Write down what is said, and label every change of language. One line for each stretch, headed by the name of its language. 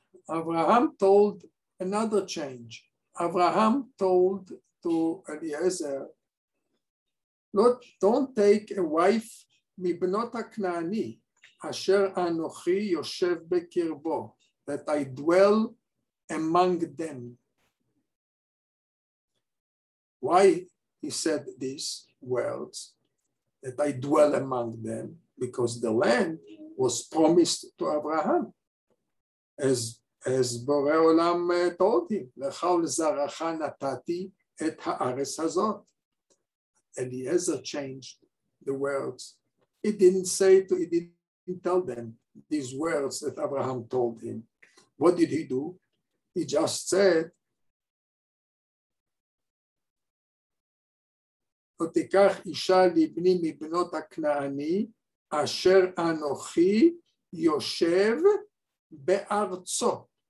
English: Abraham told another change. Abraham told to Eliezer, don't take a wife
Hebrew: מבנות הכנעני, אשר אנוכי יושב בקרבו,
English: that I dwell among them. Why he said these words, that I dwell among them? Because the land was promised to Abraham. As Borei Olam told him,
Hebrew: לכל זרעך נתתי את הארץ הזאת.
English: Eliezer changed the words. He didn't tell them these words that Abraham told him. What did he do? He just said,
Hebrew: ותיקח אישה לבני מבנות הכנעני, אשר אנוכי יושב בארצו.